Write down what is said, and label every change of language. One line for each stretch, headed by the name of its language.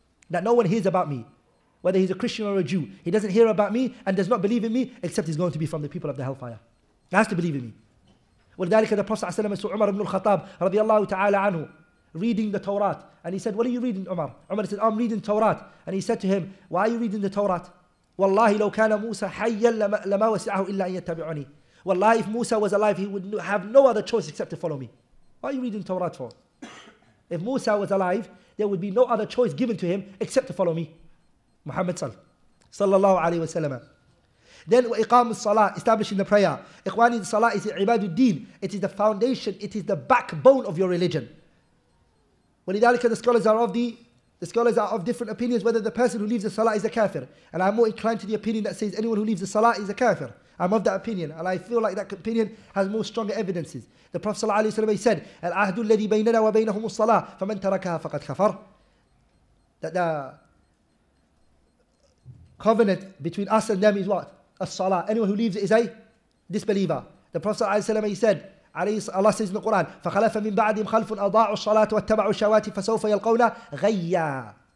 English: That no one hears about me, whether he's a Christian or a Jew. He doesn't hear about me and does not believe in me, except he's going to be from the people of the hellfire. He has to believe in me.
Arabic: ولذلك
English: the Prophet صلى الله عليه وسلم عمر بن الخطاب رضي الله تعالى عنه reading the Torah, and he said, what are you reading, Umar? Umar said, I'm reading Torah. And he said to him, why are you reading the Torah?
Arabic: والله لو كان موسى حيا لما وسعه إلا أن يتبعني. والله,
English: if Musa was alive, he would have no other choice except to follow me. What are you reading Torah for? If Musa was alive, there would be no other choice given to him except to follow me, Muhammad صلى الله عليه وسلم. Then وإقام الصلاة, establishing the prayer.
Arabic: إخواني, الصلاة
English: is
Arabic: عباد الدين.
English: It is the foundation, it is the backbone of your religion.
Arabic: ولذلك
English: the scholars are of different opinions whether the person who leaves the salah is a kafir. And I'm more inclined to the opinion that says anyone who leaves the salah is a kafir. I'm of that opinion, and I feel like that opinion has more stronger evidences. The Prophet
Arabic: صلى الله عليه وسلم
English: said,
Arabic: العهد الذي بيننا وبينهم الصلاة فمن تركها فقد كفر.
English: That the covenant between us and them is what? As-salah. Anyone who leaves it is a disbeliever. The Prophet ﷺ, he said, Allah says in the Quran,
Arabic: فَخَلَفَ مِنْ بَعْدِهِمْ خَلْفٌ أَضَاعُوا الصَّلَاةِ وَاتَّبَعُوا الشَّوَاتِ فَسَوْفَ يَلْقَوْنَ غَيَّا.